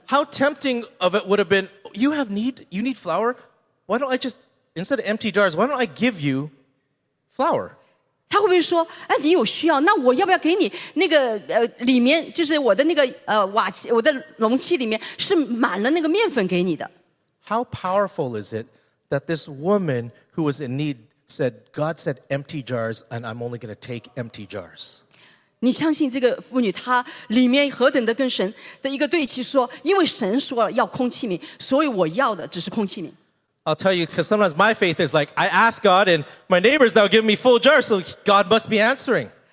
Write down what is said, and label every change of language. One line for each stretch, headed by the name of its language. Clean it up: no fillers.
English: How tempting of it would have been, you have need, you need flour? Why don't I just, instead of empty jars, why don't I give you flour?
Chinese: 他会不会说, 哎, 你有需要, 那我要不要给你那个, 里面就是我的那个, 瓦器, 我的容器里面是满了那个面粉给你的。
English: How powerful is it that this woman who was in need said, God said empty jars, and I'm only going to take empty jars.
Chinese: 你相信这个妇女她里面何等的跟神的一个对齐说，因为神说了要空器皿，所以我要的只是空器皿。
English: I'll tell you, because sometimes my faith is like, I ask God and my neighbors now give me full jars, so God must be answering.